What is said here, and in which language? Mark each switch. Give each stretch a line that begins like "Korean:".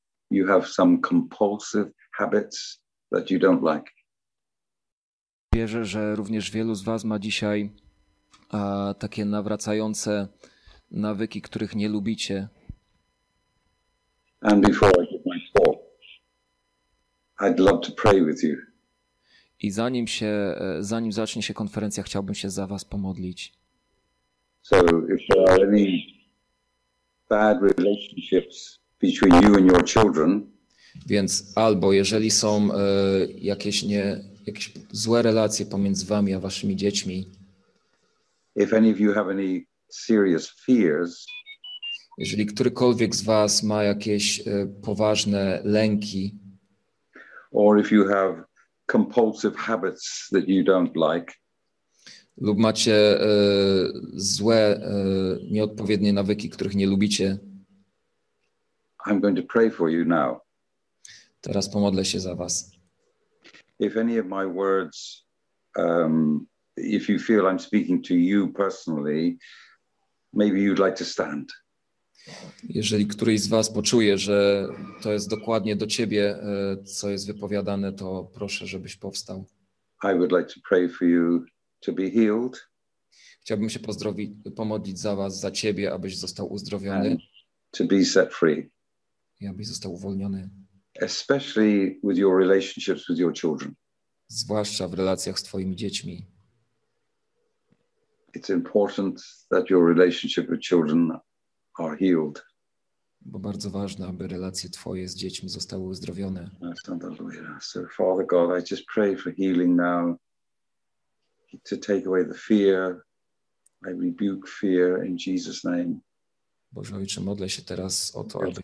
English: You have some compulsive habits that you don't like.
Polish: Wierzę, że również wielu z was ma dzisiaj takie nawracające nawyki, których nie lubicie.
English: And before I give my talk, I'd love to pray with you.
Polish: I zanim zacznie się konferencja, chciałbym się za was pomodlić.
English: So if there are any bad relationships between you and your children,
Polish: więc albo jeżeli są jakieś złe relacje pomiędzy wami a waszymi dziećmi,
English: if any of you have any serious fears,
Polish: jeżeli którykolwiek z was ma jakieś poważne lęki,
English: or if you have compulsive habits that you don't like,
Polish: lub macie złe, nieodpowiednie nawyki, których nie lubicie,
English: I'm going to pray for you now.
Polish: Teraz pomodlę się za was.
English: If any of my words, if you feel I'm speaking to you personally, maybe you'd like to stand.
Polish: Jeżeli któryś z was poczuje, że to jest dokładnie do ciebie, co jest wypowiadane, to proszę, żebyś powstał.
English: I would like to pray for you to be healed.
Polish: Chciałbym się pomodlić za was, za ciebie, abyś został uzdrowiony.
English: And to be set free.
Polish: I abyś został uwolniony.
English: Especially with your relationships with your children.
Polish: Zwłaszcza w relacjach z twoimi dziećmi.
English: It's important that your relationship with children are healed.
Polish: Bo bardzo ważne, aby relacje twoje z dziećmi zostały uzdrowione.
English: So Father God, I just pray for healing now. To take away the fear. I rebuke fear in Jesus' name.
Polish: Boże Ojcze, modlę się teraz o to, aby...